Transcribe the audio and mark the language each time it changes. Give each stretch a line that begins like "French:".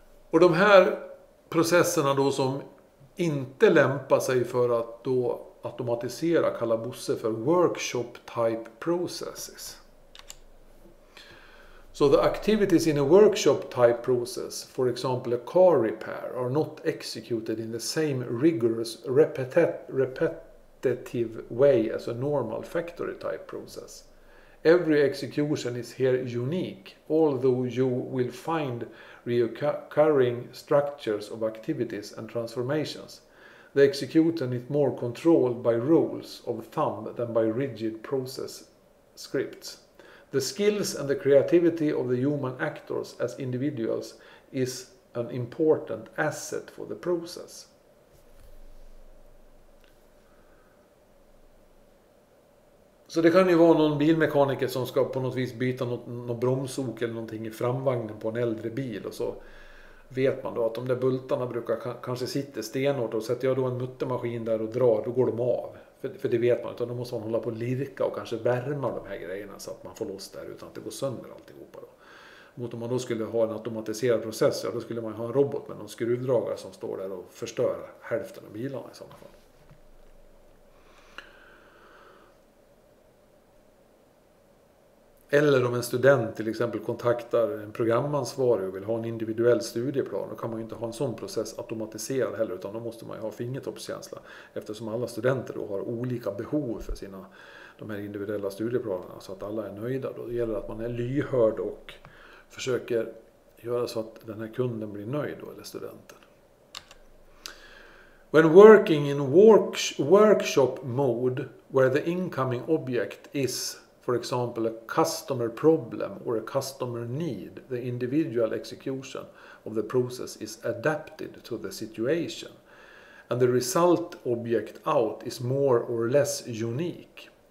Swedish: Och de här processerna då som inte lämpar sig för att då automatisera kallar Bosse för workshop type processes.
English: So the activities in a workshop type process, for example a car repair, are not executed in the same rigorous repetitive way as a normal factory type process. Every execution is here unique, although you will find recurring structures of activities and transformations. The execution is more controlled by rules of thumb than by rigid process scripts. The skills and the creativity of the human actors as individuals is an important asset for the process.
Swedish: Så det kan ju vara någon bilmekaniker som ska på något vis byta något bromsok eller någonting i framvagnen på en äldre bil, och så vet man då att de där bultarna brukar kanske sitta stenhårt, och sätter jag då en muttermaskin där och drar, då går de av. För det vet man, utan då måste man hålla på och lirka och kanske värma de här grejerna så att man får loss där utan att det går sönder alltihopa då. Mot om man då skulle ha en automatiserad process, ja då skulle man ha en robot med någon skruvdragare som står där och förstör hälften av bilarna i sådana fall. Eller om en student till exempel kontaktar en programansvarig och vill ha en individuell studieplan, då kan man ju inte ha en sån process automatiserad heller, utan då måste man ju ha fingertoppskänsla, eftersom alla studenter då har olika behov för sina de här individuella studieplanerna, så att alla är nöjda. Då gäller det att man är lyhörd och försöker göra så att den här kunden blir nöjd då, eller studenten.
English: When working in workshop mode where the incoming object is, for example, a customer problem or a customer need, the individual execution of the process is adapted to the situation, and the result object out is more or less unique.